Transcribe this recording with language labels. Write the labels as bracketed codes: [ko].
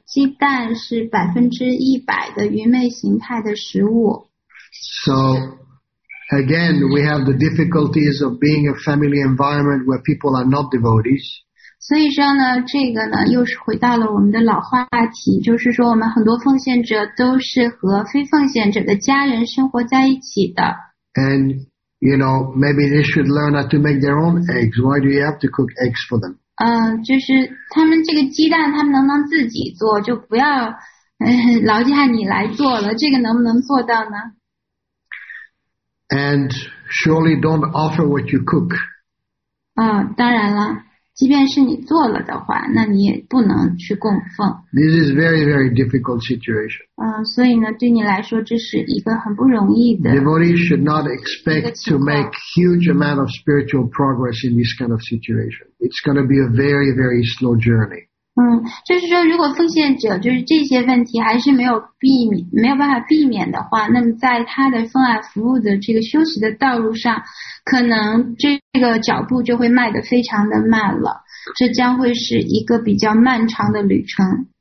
[zh] 鸡蛋是 100% 的愚昧形态的食物。 [en] SoAgain, we have the difficulties of being a family environment where people are not devotees. [zh] 所以说呢，这个呢，又是回到了我们的老话题，就是说我们很多奉献者都是和非奉献者的家人生活在一起的。 [en] And, you know, maybe they should learn how to make their own eggs. Why do you have to cook eggs for them? [zh] 就是他们这个鸡蛋他们能不能自己做，就不要劳驾你来做了，这个能不能做到呢？ [en] And surely don't offer what you cook. [zh] 当然了，即便是你做了的话，那你也不能去供奉。 [en] This is very, very difficult situation. [zh] 所以呢，对你来说，这是一个很不容易的。 [en] Devotees should not expect to make huge amount of spiritual progress in this kind of situation. It's going to be a very, very slow journey. [zh] 就是说，如果奉献者就是这些问题还是没有办法避免的话，那么在他的奉爱服务的这个休息的道路上，可能这个脚步就会迈得非常的慢了，这将会是一个比较漫长的旅程。